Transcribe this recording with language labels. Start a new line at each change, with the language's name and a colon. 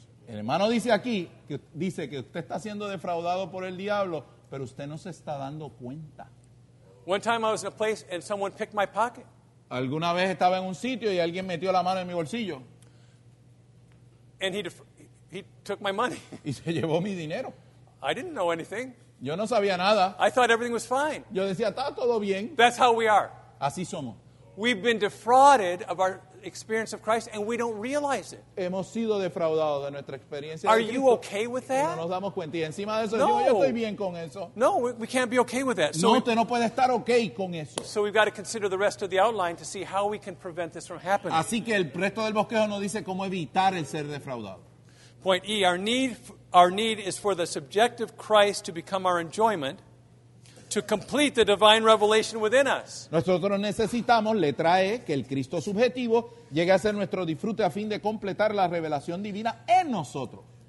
Spanish: El hermano dice que usted está siendo defraudado por el diablo, pero usted no se está dando cuenta.
English: One time I was in a place and someone picked my pocket.
Spanish: Alguna vez estaba en un sitio y alguien metió la mano en mi bolsillo.
English: And he took my money.
Spanish: Y se llevó mi dinero.
English: I didn't know anything.
Spanish: Yo no sabía nada.
English: I thought everything was fine.
Spanish: Yo decía, está todo bien.
English: That's how we are.
Spanish: Así somos.
English: We've been defrauded of our experience of Christ and we don't realize it.
Spanish: Hemos sido defraudados de nuestra experiencia.
English: Are you okay with that?
Spanish: No nos damos cuenta y encima de eso yo estoy bien con eso.
English: No, we can't be okay with that.
Spanish: So no, usted no puede estar okay con eso.
English: So we've got to consider the rest of the outline to see how we can prevent this from happening.
Spanish: Así que el resto del bosquejo nos dice cómo evitar el ser defraudado.
English: Point E, our need is for the subjective Christ to become our enjoyment. To complete the divine revelation within us.
Spanish: Nosotros necesitamos, letra E, que el Cristo subjetivo llegue a ser nuestro disfrute a fin de completar la revelación divina en nosotros.